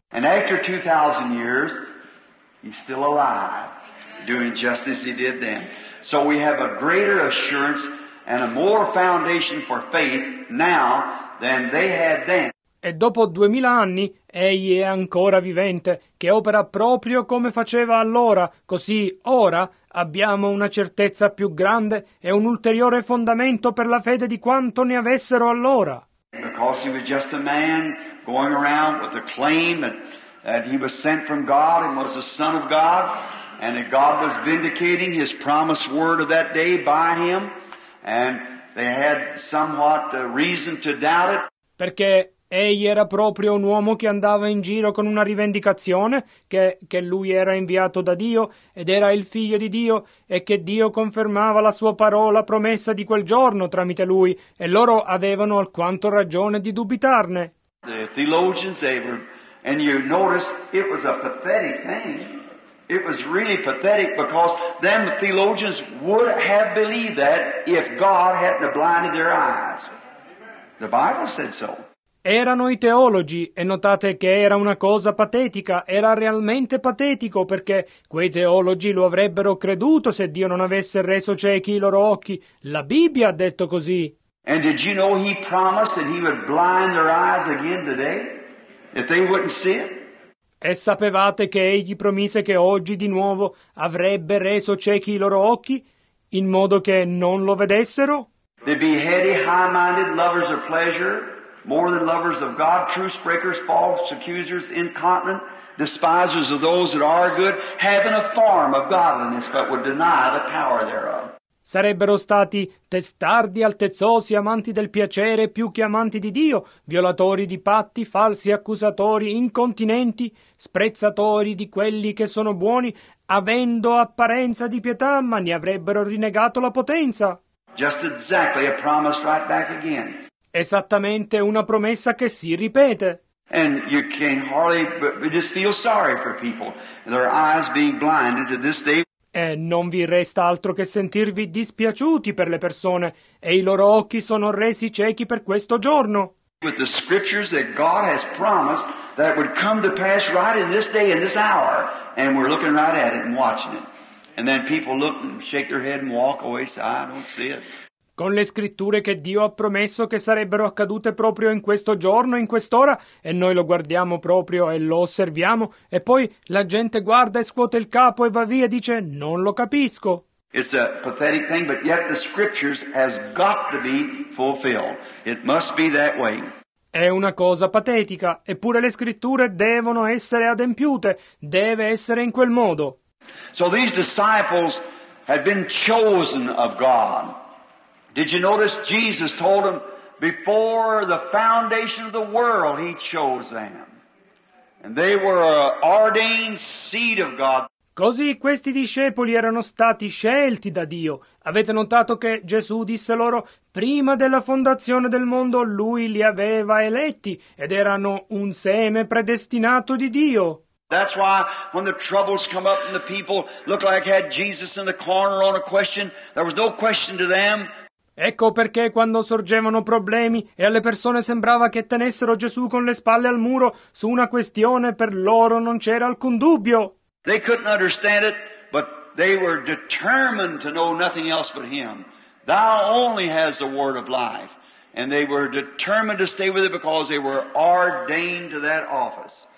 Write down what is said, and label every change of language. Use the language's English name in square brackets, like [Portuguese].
[English] And after 2,000 years, he's still alive, doing just as he did then. So we have a greater assurance and a more foundation for faith now than they had then. [Italian] E dopo 2,000 anni, egli è ancora vivente, che opera proprio come faceva allora, così ora abbiamo una certezza più grande e un ulteriore fondamento per la fede di quanto ne avessero allora. [English] Because he was just a man going around with the claim that he was sent from God and was the Son of God, and that God was vindicating his promised word of that day by him, and they had somewhat reason to doubt it. [Italian] Perché egli era proprio un uomo che andava in giro con una rivendicazione, che lui era inviato da Dio ed era il figlio di Dio e che Dio confermava la sua parola promessa di quel giorno tramite lui e loro avevano alquanto ragione di dubitarne. [English] The theologians, they were, and you notice it was a pathetic thing. It was really pathetic because then the theologians would have believed that if God hadn't blinded their eyes. The Bible said so. [Italian] Erano i teologi, e notate che era una cosa patetica, era realmente patetico, perché quei teologi lo avrebbero creduto se Dio non avesse reso ciechi i loro occhi. La Bibbia ha detto così. [English] And did you know he promised that he would blind their eyes again today, if they wouldn't see it? [Italian] E sapevate che egli promise che oggi di nuovo avrebbe reso ciechi i loro occhi, in modo che non lo vedessero? [English] The beheaded, high-minded lovers of pleasure, more than lovers of God, truce-breakers, false accusers, incontinent, despisers of those that are good, having a form of godliness, but would deny the power thereof. [Italian] Sarebbero stati testardi, altezzosi, amanti del piacere più che amanti di Dio, violatori di patti, falsi accusatori, incontinenti, sprezzatori di quelli che sono buoni, avendo apparenza di pietà, ma ne avrebbero rinnegato la potenza. [English] Just exactly a promise right back again. [Italian] Esattamente una promessa che si ripete. [English] And you can hardly but just feel sorry for people, their eyes being blinded to this day. [Italian] E non vi resta altro che sentirvi dispiaciuti per le persone, e i loro occhi sono resi ciechi per questo giorno. [English] With the scriptures that God has promised that would come to pass right in this day, in this hour, and we're looking right at it and watching it. And then people look and shake their head and walk away, say, I don't see it. [Italian] Con le scritture che Dio ha promesso che sarebbero accadute proprio in questo giorno, in quest'ora, e noi lo guardiamo proprio e lo osserviamo, e poi la gente guarda e scuote il capo e va via e dice, non lo capisco. [English] It's a pathetic thing, but yet the scriptures has got to be fulfilled. It must be that way. [Italian] È una cosa patetica, eppure le scritture devono essere adempiute, deve essere in quel modo. [English] So these disciples had been chosen of God. Did you notice Jesus told them, before the foundation of the world, he chose them. And they were an ordained seed of God. [Italian] Così questi discepoli erano stati scelti da Dio. Avete notato che Gesù disse loro, prima della fondazione del mondo, lui li aveva eletti, ed erano un seme predestinato di Dio. [English] That's why when the troubles come up and the people look like had Jesus in the corner on a question, there was no question to them. [Italian] Ecco perché quando sorgevano problemi e alle persone sembrava che tenessero Gesù con le spalle al muro, su una questione per loro non c'era alcun dubbio. [English] They couldn't understand it, but they were determined to know nothing else but him. Thou only has the word of life. And they were determined to stay with it because they were ordained to that office.